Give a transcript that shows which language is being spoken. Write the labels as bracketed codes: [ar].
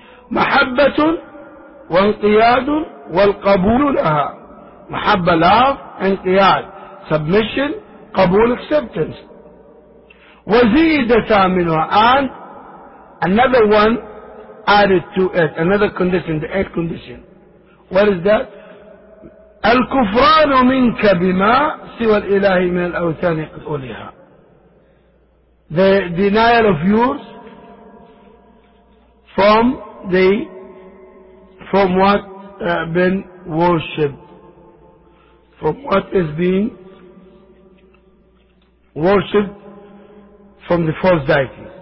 [ar] محبة وانقياد والقبول لها. [en] محبة love, انقياد submission, قبول acceptance. [ar] وزيدة منها [en] and another one added to it, another condition, the eighth condition. What is that? [ar] الكفران منك بما سوى الإله من الأوثان أوليها. [en] The denial of yours from the from what been worshipped, from what is being worshipped from the false deities.